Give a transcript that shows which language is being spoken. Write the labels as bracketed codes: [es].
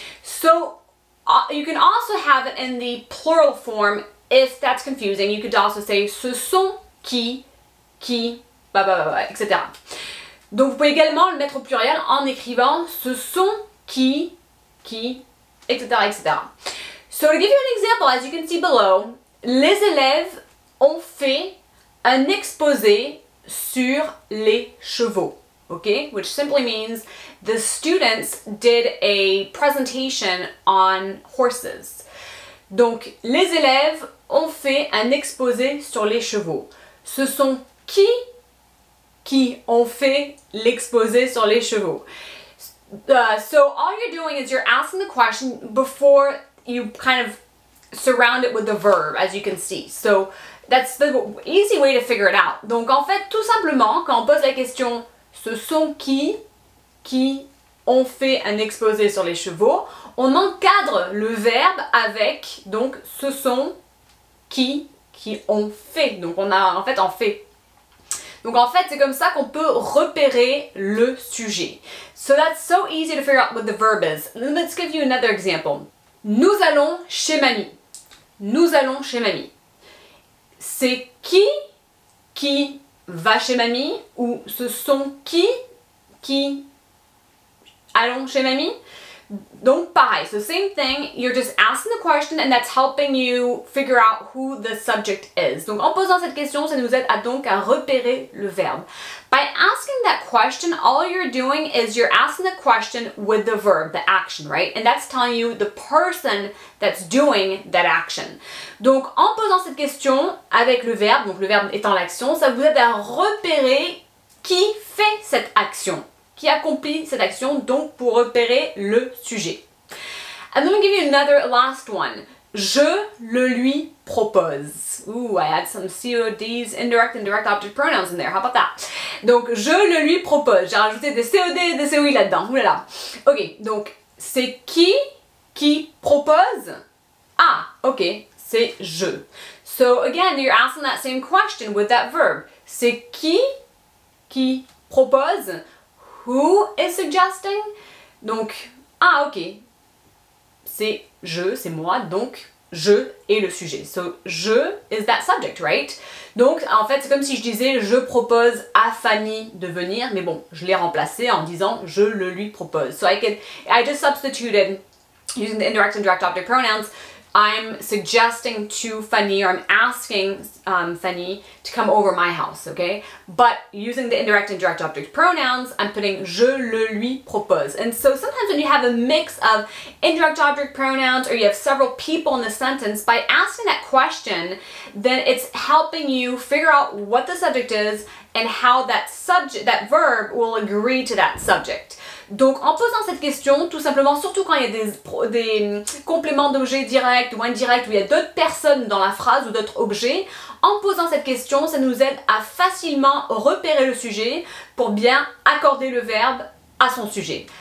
[en] So, you can also have it in the plural form, if that's confusing, you could also say, [fr] ce sont qui, [en] blah, blah, blah, blah, etc. [fr] Donc, vous pouvez également le mettre au pluriel en écrivant, ce sont qui, etc, etc. [en] So, to give you an example, as you can see below, [fr] les élèves ont fait un exposé sur les chevaux, [en] okay? Which simply means the students did a presentation on horses. [fr] Donc, les élèves ont fait un exposé sur les chevaux. Ce sont qui ont fait l'exposé sur les chevaux? [en] So, all you're doing is you're asking the question before you kind of surround it with the verb, as you can see. So, that's the easy way to figure it out. [fr] Donc, en fait, tout simplement, quand on pose la question, ce sont qui ont fait un exposé sur les chevaux, on encadre le verbe avec, donc, ce sont qui ont fait. Donc, on a, en fait, en fait. Donc, en fait, c'est comme ça qu'on peut repérer le sujet. [en] So, that's so easy to figure out what the verb is. Let's give you another example. [fr] Nous allons chez mamie. Nous allons chez mamie. C'est qui va chez mamie ou ce sont qui allons chez mamie? Donc pareil, [en] so same thing, you're just asking the question and that's helping you figure out who the subject is. [fr] Donc en posant cette question, ça nous aide à donc à repérer le verbe. [en] By asking that question, all you're doing is you're asking the question with the verb, the action, right? And that's telling you the person that's doing that action. [fr] Donc en posant cette question avec le verbe, donc le verbe étant l'action, ça vous aide à repérer qui fait cette action. Qui accomplit cette action, donc pour repérer le sujet. [en] And let me give you another last one. [fr] Je le lui propose. [en] Ooh, I had some CODs, indirect and direct object pronouns in there. How about that? [fr] Donc, je le lui propose. J'ai rajouté des COD et des COI là-dedans. Ouh là là. Ok, donc, c'est qui propose? Ah, ok, c'est je. [en] So, again, you're asking that same question with that verb. [fr] C'est qui propose? [en] Who is suggesting? [fr] Donc, ah ok, c'est je, c'est moi, donc je est le sujet. [en] So, je is that subject, right? [fr] Donc, en fait, c'est comme si je disais je propose à Fanny de venir, mais bon, je l'ai remplacé en disant je le lui propose. [en] So, I just substituted, using the indirect and direct object pronouns, I'm suggesting to Fanny, or I'm asking Fanny to come over my house, okay? But using the indirect and direct object pronouns, I'm putting [fr] je le lui propose. [en] And so sometimes when you have a mix of indirect object pronouns or you have several people in the sentence, by asking that question, then it's helping you figure out what the subject is and how that subject, that verb will agree to that subject. [fr] Donc, en posant cette question, tout simplement, surtout quand il y a des compléments d'objets directs ou indirects, où il y a d'autres personnes dans la phrase ou d'autres objets, en posant cette question, ça nous aide à facilement repérer le sujet pour bien accorder le verbe à son sujet.